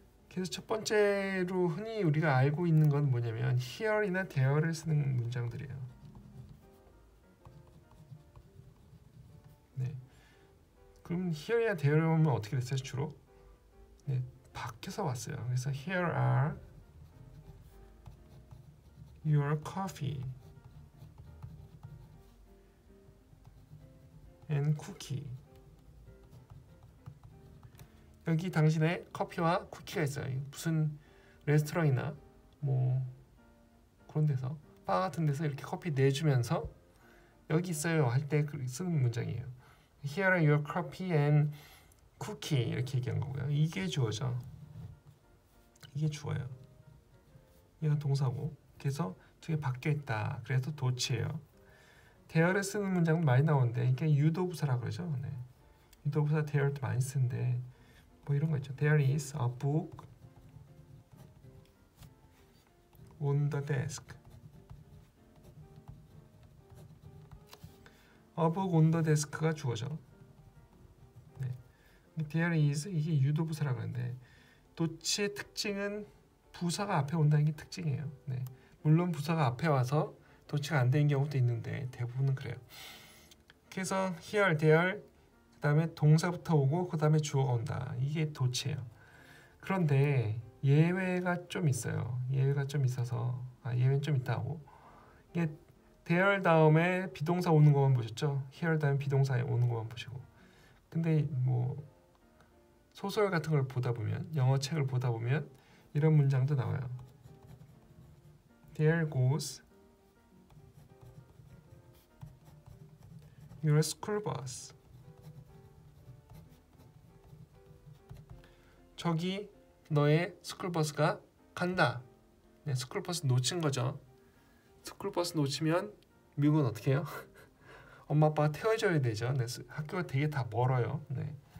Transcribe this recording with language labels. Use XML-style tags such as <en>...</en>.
<ko>그래서 첫 번째로 흔히 우리가 알고 있는 건 뭐냐면 here이나 there를 쓰는 문장들이에요. 그럼 here이나 there를 보면 어떻게 됐어요? 주로 네, 밖에서 왔어요. 그래서</ko> <en>here are your coffee and cookie.</en> <ko>여기 당신의 커피와 쿠키가 있어요. 무슨 레스토랑이나 뭐 그런 데서 바 같은 데서 이렇게 커피 내주면서 여기 있어요 할 때 쓰는 문장이에요.</ko> <en>Here are your coffee and cookie</en> <ko>이렇게 얘기한 거고요. 이게 주어죠. 이게 주어요. 이건 동사고 그래서 뒤에 바뀌어 있다. 그래서 도치예요. 대어를 쓰는 문장도 많이 나오는데 이게 유도부사라고 그러죠. 네. 유도부사 대어도 많이 쓰는데 뭐 이런 거 있죠.</ko> <en>There is a book on the desk. A book on the desk가</en> <ko>주어죠. 네. There is 이게 유도부사라 그러는데 도치의 특징은 부사가 앞에 온다는 게 특징이에요. 네. 물론 부사가 앞에 와서 도치가 안 되는 경우도 있는데 대부분은 그래요. 그래서 here, there 그 다음에 동사부터 오고 그 다음에 주어가 온다. 이게 도치예요. 그런데 예외가 좀 있어요. 예외가 좀 있어서 예외는 좀 있다고. 이게 there 다음에 비동사 오는 것만 보셨죠? here 다음에 비동사 오는 것만 보시고 근데 뭐 소설 같은 걸 보다 보면 영어 책을 보다 보면 이런 문장도 나와요.</ko> <en>There goes your school bus.</en> <ko>저기 너의 스쿨버스가 간다. 네, 스쿨버스 놓친 거죠. 스쿨버스 놓치면 미국은 어떻게 해요? 엄마 아빠가 태워줘야 되죠. 네, 학교가 되게 다 멀어요. 네.</ko>